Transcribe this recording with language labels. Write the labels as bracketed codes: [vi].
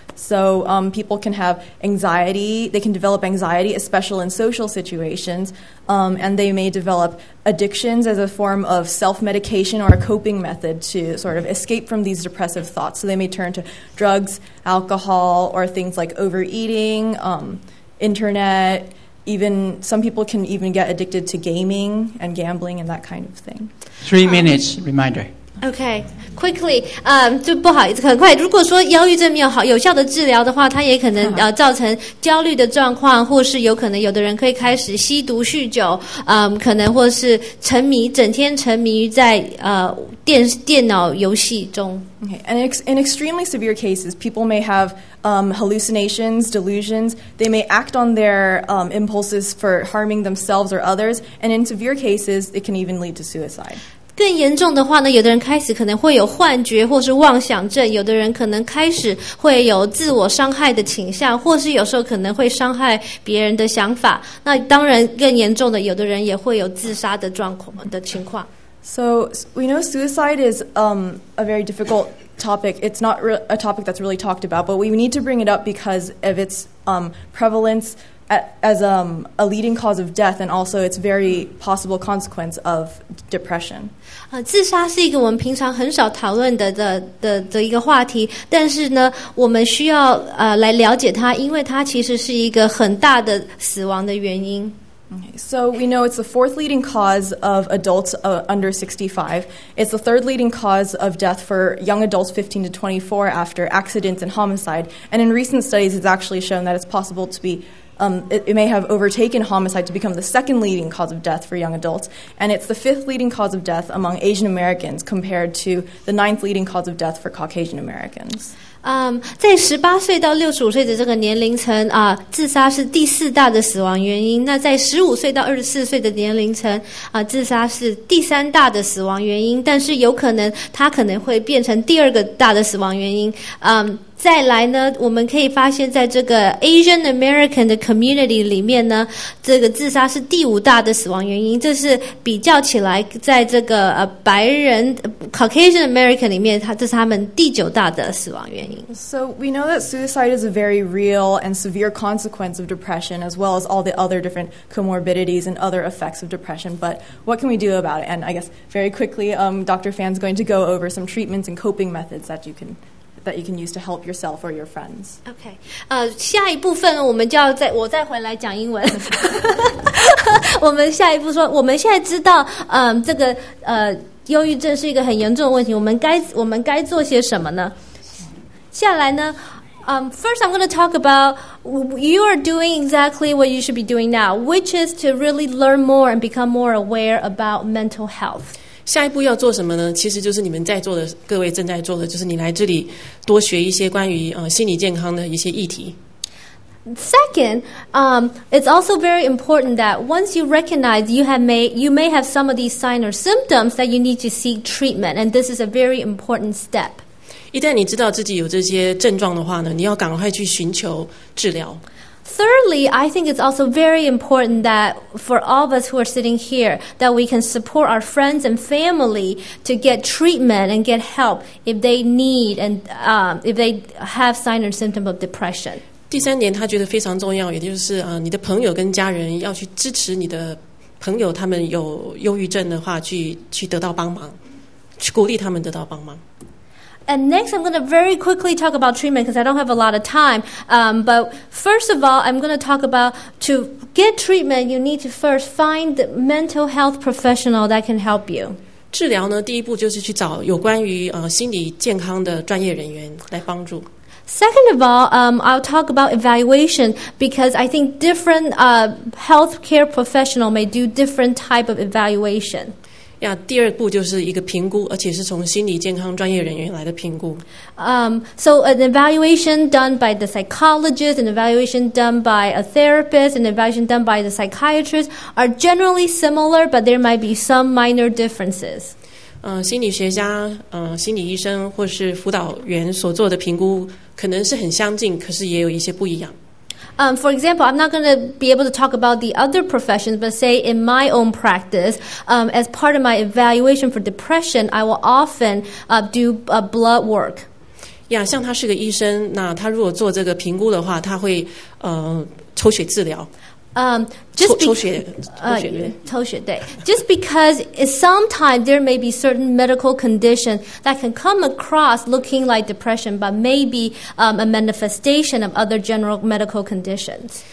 [en] So people can have anxiety, they can develop anxiety, especially in social situations, and they may develop addictions as a form of self-medication or a coping method to sort of escape from these depressive thoughts. So they may turn to drugs, alcohol, or things like overeating, internet, even some people can even get addicted to gaming and gambling and that kind of thing. 3 minutes, reminder. Okay, quickly. [zh] 就不好意思，很快。如果说忧郁症没有好有效的治疗的话，它也可能造成焦虑的状况，或是有可能有的人可以开始吸毒、酗酒，可能或是沉迷，整天沉迷在电脑游戏中。 [en] Okay, and in extremely severe cases, people may have hallucinations, delusions. They may act on their impulses for harming themselves or others. And in severe cases, it can even lead to suicide. [zh] 更严重的话呢，有的人开始可能会有幻觉或是妄想症，有的人可能开始会有自我伤害的倾向，或是有时候可能会伤害别人的想法。那当然更严重的，有的人也会有自杀的状况的情况。 [en] So we know suicide is a very difficult topic. It's not a topic that's really talked about, but we need to bring it up because of its prevalence as a leading cause of death, and also its very possible consequence of depression. [zh] 自杀是一个我们平常很少讨论的一个话题，但是呢，我们需要来了解它，因为它其实是一个很大的死亡的原因。 [en] Okay, so we know it's the fourth leading cause of adults under 65. It's the third leading cause of death for young adults 15 to 24 after accidents and homicide. And in recent studies, it's actually shown that it's possible to be, it may have overtaken homicide to become the second leading cause of death for young adults. And it's the fifth leading cause of death among Asian Americans compared to the ninth leading cause of death for Caucasian Americans. [zh] 在18岁到65岁的这个年龄层自杀是第四大的死亡原因。那在15岁到24岁的年龄层自杀是第三大的死亡原因，但是有可能它可能会变成第二个大的死亡原因。再来呢，我们可以发现在这个 Asian American 的 community 里面呢，这个自杀是第五大的死亡原因，这是比较起来在这个白人 Caucasian American 里面，这是他们第九大的死亡原因。 [en] So we know that suicide is a very real and severe consequence of depression, as well as all the other different comorbidities and other effects of depression, but what can we do about it? And I guess very quickly, Dr. Fan's going to go over some treatments and coping methods that you can use to help yourself or your friends. Okay. [zh] 下一部分我们就要再我再回来讲英文。我们下一步说我们现在知道这个忧郁症是一个很严重的问题，我们该做些什么呢？下来呢 [en] first I'm going to talk about you are doing exactly what you should be doing now, which is to really learn more and become more aware about mental health. [zh] 下一步要做什么呢？其实就是你们在座的各位正在做的，就是你来这里多学一些关于心理健康的一些议题。 [en] Second, it's also very important that once you recognize you may have some of these signs or symptoms that you need to seek treatment, and this is a very important step. [zh] 一旦你知道自己有这些症状的话呢，你要赶快去寻求治疗。 [en] Thirdly, I think it's also very important that for all of us who are sitting here, that we can support our friends and family to get treatment and get help if they need and if they have signs or symptoms of depression. [zh] 第三点，他觉得非常重要，也就是你的朋友跟家人要去支持你的朋友，他们有忧郁症的话，去得到帮忙，去鼓励他们得到帮忙。 [en] And next, I'm going to very quickly talk about treatment because I don't have a lot of time. But first of all, I'm going to talk about to get treatment, you need to first find the mental health professional that can help you. [zh] 治疗呢，第一步就是去找有关于心理健康的专业人员来帮助。 [en] Second of all, I'll talk about evaluation because I think different healthcare professional may do different type of evaluation. [zh] Yeah, 第二步就是一个评估，而且是从心理健康专业人员来的评估。 [en] So an evaluation done by the psychologist, an evaluation done by a therapist, an evaluation done by the psychiatrist are generally similar, but there might be some minor differences. [zh] 心理学家、心理医生或是辅导员所做的评估可能是很相近，可是也有一些不一样。 [en] For example, I'm not going to be able to talk about the other professions, but say in my own practice, as part of my evaluation for depression, I will often do blood work. [zh] Yeah, 像他是个医生，那他如果做这个评估的话，他会抽血治疗。 [en] Just because sometimes there may be certain medical conditions that can come across looking like depression, but may be a manifestation of other general medical conditions.